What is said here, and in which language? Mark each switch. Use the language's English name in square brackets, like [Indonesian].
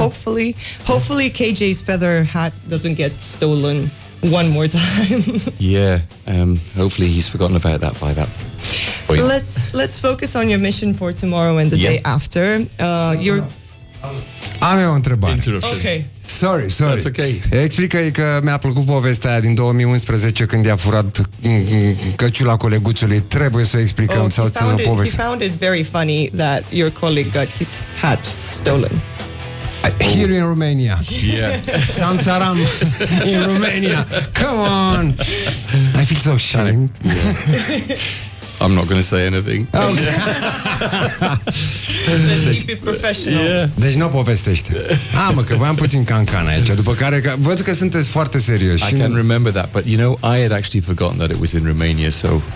[English] Hopefully KJ's feather hat doesn't get stolen one more time. Yeah. Hopefully he's forgotten about that by that point. Let's focus on your mission for tomorrow and the day after. [Romanian] Am eu o întrebare. [English] Ok. Sorry. That's okay. [Romanian] Explică-i că mi-a plăcut povestea aia din 2011 când i-a furat căciula coleguțului. Trebuie să explicăm sau să o povestim. [English] He found it very funny that your colleague got his hat stolen. Here in Romania. Yeah. Santaram in Romania. Come on. I feel so ashamed. I'm not going to say anything. Okay. Let's keep it professional. Yeah. [Romanian] Deci nu povestește. Mă, că voiam puțin cancana aici, după care văd că sunteți foarte serios. [English] I can remember that, but you know, I had actually forgotten that it was in Romania, so...